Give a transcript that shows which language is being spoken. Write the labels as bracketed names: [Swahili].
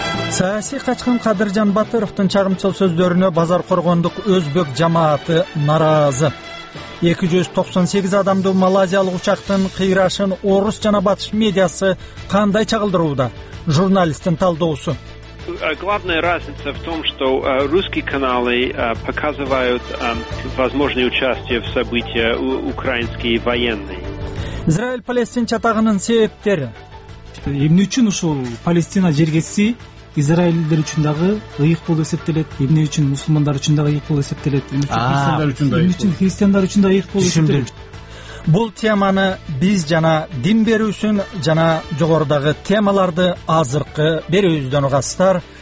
[Kyrgyz] Саяси качкын Кадыржан Батыровтун чагымчыл сөздөрүнө базар коргондук өзбек жамааты нааразы. 298 адамды Малайзиялык учактын кыйрашын орус жана батыш медиасы кандай чагылдырууда? Журналисттин талдоосу. [Russian] Главная разница в том, что русские каналы показывают возможное участие в событиях украинские военные. [Kyrgyz] Израиль-Палестин чатагынын себептери. Эмне үчүн ушул Палестина жергеси израилдер үчүн дагы ыйык болуп эсептелет? Эмне үчүн мусулмандар үчүн дагы ыйык болуп эсептелет? Эмне үчүн христиандар үчүн да ыйык болуп эсептелет? Бул теманы биз жана дин берүүсүн жана жогорудагы темаларды азыркы берүүбүздөн угасыздар.